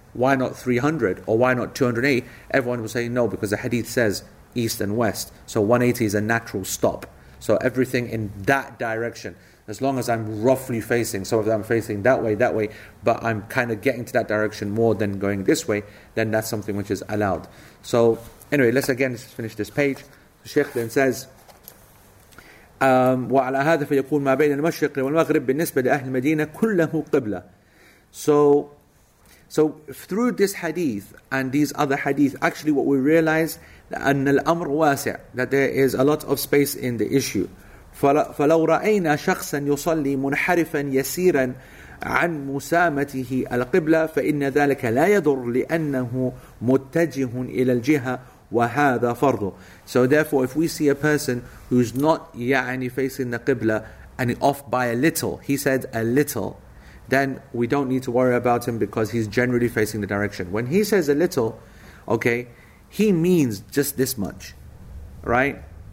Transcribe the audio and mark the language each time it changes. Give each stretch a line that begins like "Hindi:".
English: why not 300 or why not 208? Everyone will say no, because the hadith says east and west. So 180 is a natural stop. So everything in that direction, as long as I'm roughly facing, so if I'm facing that way, but I'm kind of getting to that direction more than going this way, then that's something which is allowed. So anyway, let's again just finish this page. The Sheikh then says,
Arabic: وعلى هذا فيكون ما بين المشرق والمغرب بالنسبة لأهل المدينة كله قبلة.
English: So through this hadith and these other hadith, actually what we realize that
Arabic: أن الأمر واسع,
English: that there is a lot of space in the issue.
Arabic: فلو رأينا شخصا يصلي منحرفا يسيرا عن مسامته القبلة فإن ذلك لا يضر لأنه متجه إلى الجهة وهذا فرضه.
English: So therefore, if we see a person who's not يعني facing the qibla and off by a little, he said a little, then we don't need to worry about him because he's generally facing the direction. When he says a little, okay, he means just this much, right?